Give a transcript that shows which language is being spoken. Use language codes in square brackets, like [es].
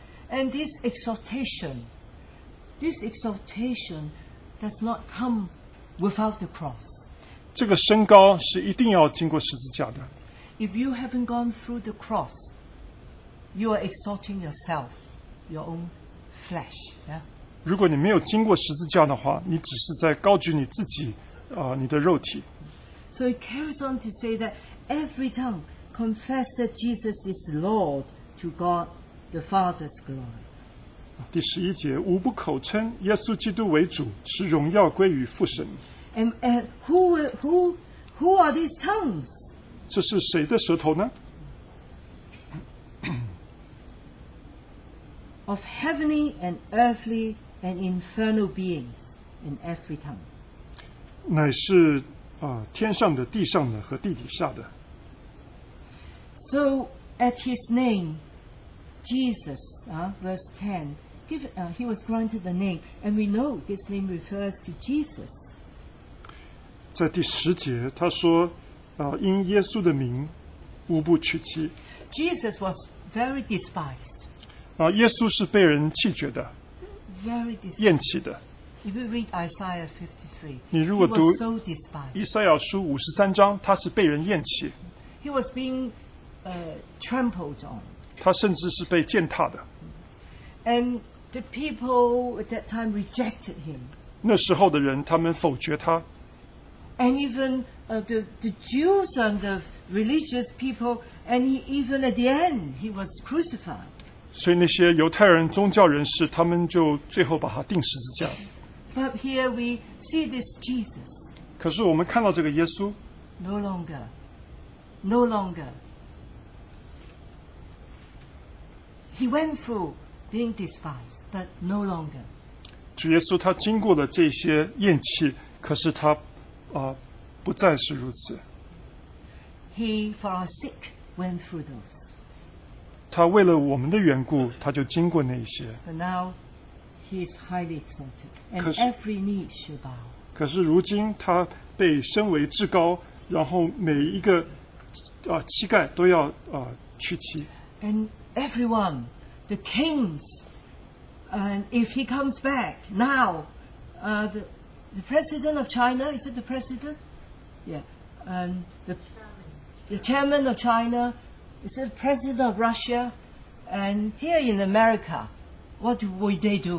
[en] And this exaltation does not come without the cross. [zh] 这个升高是一定要经过十字架的。 [en] If you haven't gone through the cross, you are exalting yourself, your own flesh. Yeah? [zh] 如果你没有经过十字架的话, 你只是在高举你自己, 你的肉体。 [en] So it carries on to say that every tongue confess that Jesus is Lord to God the Father's glory. [zh] 第十一节, 无不口称, 耶稣基督为主, 是荣耀归于父神。 [en] And who are these tongues? [zh] 这是谁的舌头呢? [en] Of heavenly and earthly and infernal beings in every tongue. [zh] 乃是, 天上的, 地上的, 和地底下的。 [en] So at his name, Jesus, verse 10, he was granted the name, and we know this name refers to Jesus. [zh] 在第十节, 他说, 因耶稣的名, 无不取其。 [en] Jesus was very despised. [zh] 耶稣是被人弃绝的, [en] very despised. [zh] 厌弃的。 [en] If you read Isaiah 53, [zh] 你如果读, [en] he was so despised. [zh] 以赛亚书53章, 他是被人厌弃。 [en] He was being trampled on. [zh] 他甚至是被践踏的。 [en] And the people at that time rejected him. [zh] 那时候的人, 他们否决他。 [en] And even the Jews and the religious people, and even at the end, he was crucified. [zh] 所以那些犹太人宗教人士, 他们就最后把他钉十字架。 [en] But here we see this Jesus. [zh] 可是我们看到这个耶稣, [en] No longer. He went through being despised, but no longer. [zh] 主耶稣他经过了这些厌弃, 可是他, 不再是如此。 [en] He, for our sick, went through those. [zh] 他为了我们的缘故, 他就经过那些。 [en] But now, he is highly exalted, and 可是, every knee should bow. [zh] 可是如今他被升为至高, 然后每一个, 膝盖都要, 屈膝。 [en] And everyone, the kings, and if he comes back now, the president of China, is it the president? Yeah, the chairman of China, is the president of Russia, and here in America, what would they do?